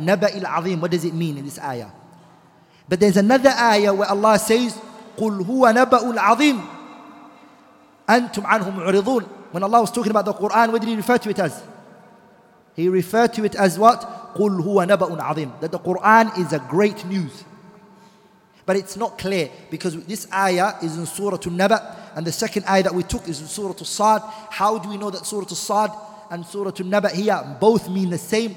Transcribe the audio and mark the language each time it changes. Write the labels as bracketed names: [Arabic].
[Arabic] نَبَإِ الْعَظِيمِ. [English] What does it mean in this ayah? But there's another ayah where Allah says, [Arabic] قُلْ هُوَ نَبَأُ الْعَظِيمِ أَنْتُمْ عَنْهُمْ عُرِضُونَ. [English] When Allah was talking about the Quran, what did He refer to it as? He referred to it as what? [Arabic] قُلْ هُوَ نَبَأُ الْعَظِيمِ. [English] That the Quran is a great news. But it's not clear because this ayah is in Surah Al-Naba' and the second ayah that we took is in Surah Al-Sad. How do we know that Surah Al-Sad and Surah Al-Naba' here both mean the same?